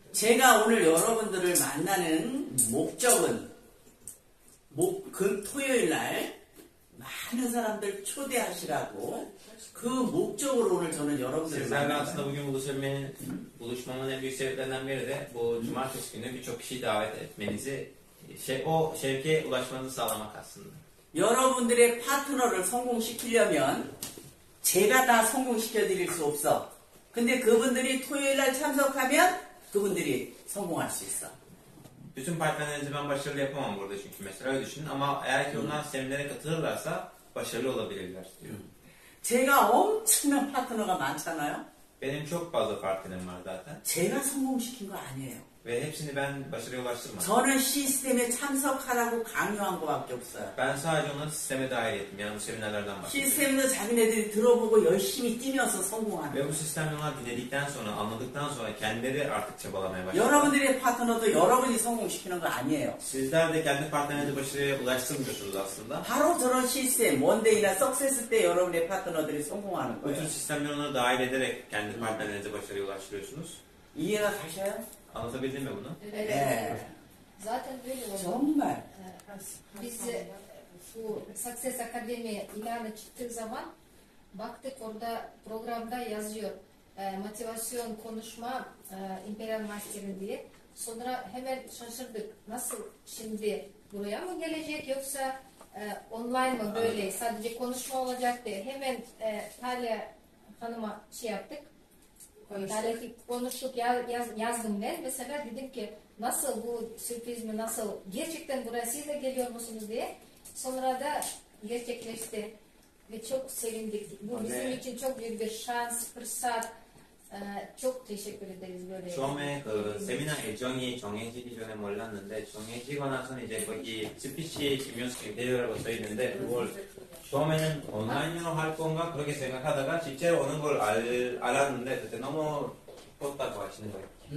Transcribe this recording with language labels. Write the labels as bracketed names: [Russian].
[Korean] 제가 오늘 여러분들을 만나는 목적은 목금 토요일 날 많은 사람들 초대하시라고 그 목적으로 오늘 저는 여러분들을 만나는 아침에 [Turkish] bugün buluşmanın en büyük sebeplerinden biri de bu cumartesi günü birçok kişiyi davet etmenizi o şevke ulaşmanızı sağlamak aslında. [Korean] 여러분들의 파트너를 성공시키려면 제가 다 성공시켜드릴 수 없어. 근데 그분들이 토요일날 참석하면 그분들이 성공할 수 있어. 뜻은 파트너들이 [Turkish] ben başarılı yapamam burada çünkü mesela öyle düşünün ama eğer ki onlar seminere katılırlarsa başarılı olabilirler diyor. [Korean] 제가 엄청난 파트너가 많잖아요. [Turkish] Benim çok fazla partnerim var zaten. [Korean] 제가 성공시킨 거 아니에요. [Turkish] Ve hepsini ben başarıya ulaştırmadım. [Korean] 저는 sisteme 참석하라고 강요한 것밖에 없어요. [Turkish] Ben sadece onu sisteme dahil ettim. Yani bu seminerlerden bahsediyorum. Sistemde zannederi [Korean] 들어보고 열심히 뛰면서 성공하는. [Turkish] Ve bu sistemde onlar dinledikten sonra, anladıktan sonra kendileri artık çabalamaya başladı. [Korean] 여러분들의 파트너도 여러분이 성공시키는 거 아니에요. [Turkish] Sizler de kendi partnerinizi başarıya ulaştırmıyorsunuz aslında. [Korean] 바로 저런 sistem, Monday'la success 때 여러분의 파트너들이 성공하는 거예요. [Turkish] Bu tür sistemleri ona dahil ederek kendi partnerinizi başarıya ulaştırıyorsunuz. [Korean] 이해가 가셔요? [Turkish] Anlatabildin mi bunu? Evet. Zaten böyle oldu. Çok biz bu Success Academy ilanı çıktığı zaman baktık orada programda yazıyor. Motivasyon, konuşma, Imperial Master'in diye. Sonra hemen şaşırdık. Nasıl şimdi buraya mı gelecek yoksa online mı böyle sadece konuşma olacak diye. Hemen Talia Hanım'a şey yaptık. Konuştuk, yazdım ben. Mesela dedim ki nasıl bu sürpriz mi, nasıl gerçekten buraya siz de geliyor musunuz diye. Sonra da gerçekleşti ve çok sevindik. Bu bizim için çok büyük bir şans, fırsat. Çok teşekkür ederiz böyle. [Korean] 처음에 그 세미나 일정이 정해지기 전에 몰랐는데 정해지고 나서 이제 거기 스피치에 지면서 대열하고 써 있는데 그걸 처음에는 온라인으로 할 건가 그렇게 생각하다가 실제 오는 걸 알았는데 그때 너무 좋다고 하시는 거예요.